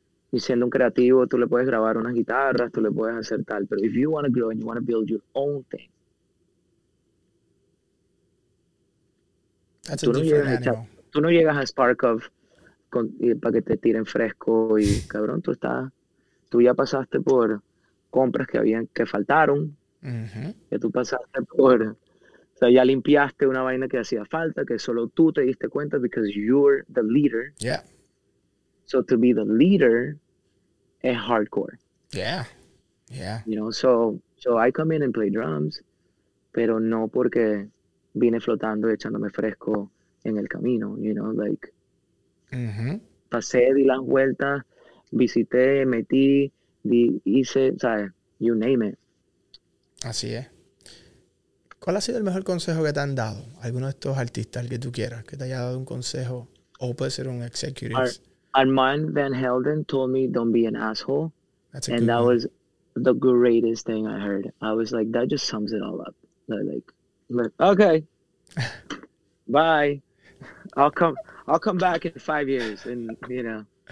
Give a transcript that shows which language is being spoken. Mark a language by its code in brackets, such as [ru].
[es] Y siendo un creativo, tú le puedes grabar unas guitarras, tú le puedes hacer tal. [en] But if you want to grow and you want to build your own thing, that's a different animal. [es] Tú no llegas a Spark of, para que te tiren fresco y, cabrón, tú estás, tú ya pasaste por compras que habían, que faltaron. Mm-hmm. Que tú pasaste por, o sea, ya limpiaste una vaina que hacía falta, que solo tú te diste cuenta, [en] because you're the leader. Yeah. So to be the leader is hardcore. Yeah. Yeah. You know, so I come in and play drums. [es] pero no porque vine flotando y echándome fresco en el camino, [en] you know, like, [es] pasé, di las vueltas, visité, metí, hice, ¿sabes? [en] You name it. [es] Así es. ¿Cuál ha sido el mejor consejo que te han dado? Alguno de estos artistas, el que tú quieras, que te haya dado un consejo, o puede ser un executive. [en] Armand Van Helden told me, don't be an asshole. That was the greatest thing I heard. I was like, that just sums it all up. Like, okay, bye. I'll come back in 5 years, and you know,